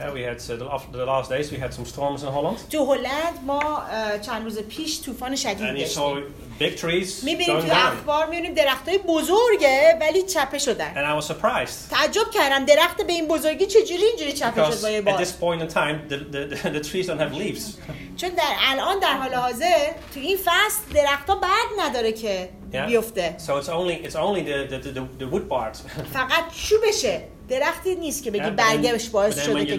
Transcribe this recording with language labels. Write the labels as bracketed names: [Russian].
[English] Yeah, we had the last days we had some storms in Holland. [Persian] تو هلند ما چند روز پیش طوفان شدید داشتیم. [English] Big trees. [Persian] می‌بینیم تو اخبار می‌بینیم درختای بزرگه ولی چپه شدن. [English] And I was surprised. [Persian] تعجب کردم درخت به این بزرگی چجوری اینجوری چپه شد با یه بار. [English] At this point in time the trees don't have leaves. [Persian] چون در الان در حال حاضر تو این فصل درختا برگ نداره که بیفته. [English] So it's only the wood part. [Persian] فقط چوبشه. درختی نیست که بگی برگش باعث شده که